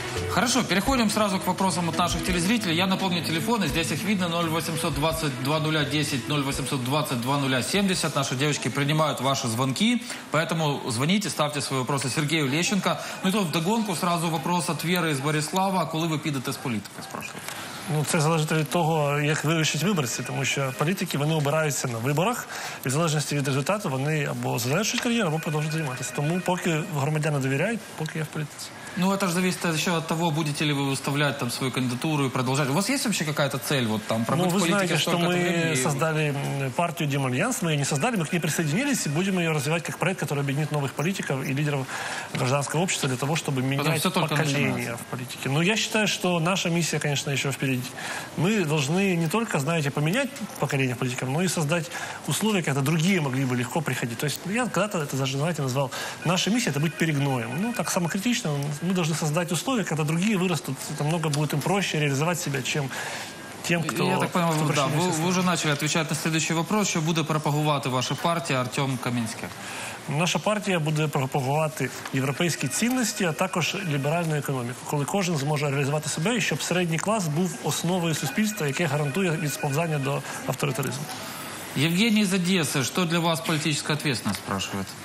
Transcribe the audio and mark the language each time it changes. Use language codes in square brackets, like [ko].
[ru] Хорошо, переходим сразу к вопросам от наших телезрителей. Я напомню телефоны, здесь их видно, 0820-2010, 0820-2070. Наши девочки принимают ваши звонки, поэтому звоните, ставьте свои вопросы Сергею Лещенко. Ну и тут вдогонку сразу вопрос от Веры из Борислава. [uk] Коли ви підете з політики, [ru] спрашиваю? [uk] Ну, це залежить від того, як вирішать виборці, тому що політики, вони обираються на виборах, і в залежності від результату вони або завершують кар'єру, або продовжують займатися. Тому поки громадяни довіряють, поки я в політиці. [ru] Ну, это же зависит еще от того, будете ли вы выставлять там свою кандидатуру и продолжать. У вас есть вообще какая-то цель вот там пробыть в Ну, вы знаете, что мы создали партию «Демальянс». Мы ее не создали, мы к ней присоединились и будем ее развивать как проект, который объединит новых политиков и лидеров гражданского общества для того, чтобы менять поколение в политике. Но я считаю, что наша миссия, конечно, еще впереди. Мы должны не только, знаете, поменять поколение политиков, но и создать условия, когда другие могли бы легко приходить. То есть я когда-то это даже, знаете, назвал «Наша миссия – это быть перегноем». Ну, так самокритично. Мы должны создать условия, когда другие вырастут, намного будет им проще реализовать себя, чем тем, кто... Я так понимаю, да, вы уже начали отвечать на следующий вопрос. Что будет пропагувати ваша партия, Артем Каминский? [uk] Наша партія буде пропагувати європейські цінності, а також ліберальну економіку, коли кожен зможе реалізувати себе, і щоб середній клас був основою суспільства, яке гарантує від сповзання до авторитаризму. Євгеній з Одеси, що для вас політична відповідальність, спрашує?